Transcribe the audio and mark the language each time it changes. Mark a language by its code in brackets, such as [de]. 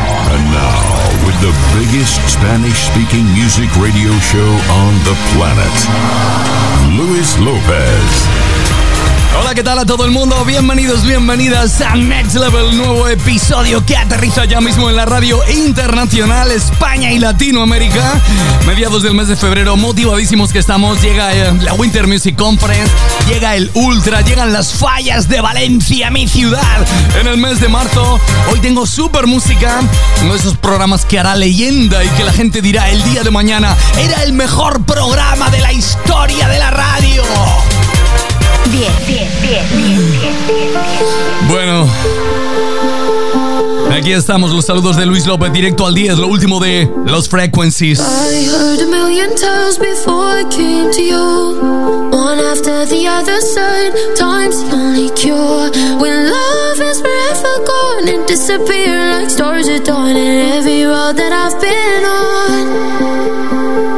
[en] And now, with the biggest Spanish-speaking music radio show on the planet, Luis Lopez. [es] Hola, ¿qué tal a todo el mundo? Bienvenidos, bienvenidas a Next Level, nuevo episodio que aterriza ya mismo en la radio internacional España y Latinoamérica. Mediados del mes de febrero, motivadísimos que estamos, llega la Winter Music Conference, llega el Ultra, llegan las fallas de Valencia, mi ciudad, en el mes de marzo. Hoy tengo super música, uno de esos programas que hará leyenda y que la gente dirá el día de mañana, era el mejor programa de la historia de la radio. Bien. Bueno, aquí estamos, los saludos de Luis López, directo al 10, lo último de Los Frequencies. [en] I heard a million times before I came to you, one after the other side, time's the only cure. When love is forever gone, it disappears like stars at dawn in every road that I've been on.